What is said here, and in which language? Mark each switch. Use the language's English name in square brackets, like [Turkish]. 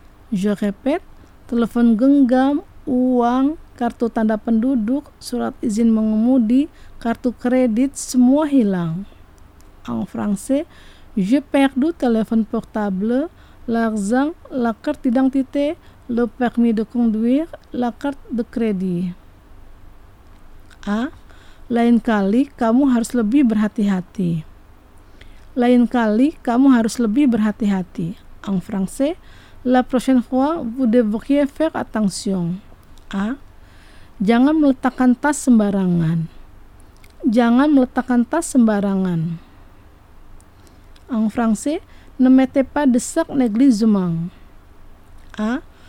[French] Je répète, [Indonesian] telepon genggam, uang, kartu tanda penduduk, surat izin mengemudi, kartu kredit semua hilang. [French] En français, j'ai perdu téléphone portable, l'argent, la carte d'identité, le permis de conduire, la carte de crédit. A. [Indonesian] Lain kali kamu harus lebih berhati-hati. Lain kali kamu harus lebih berhati-hati. [French] En français, la prochaine fois vous devriez faire attention. A. [Indonesian] Jangan meletakkan tas sembarangan. Jangan meletakkan tas sembarangan. [French] En français, ne mettez pas de sac négligemment. A.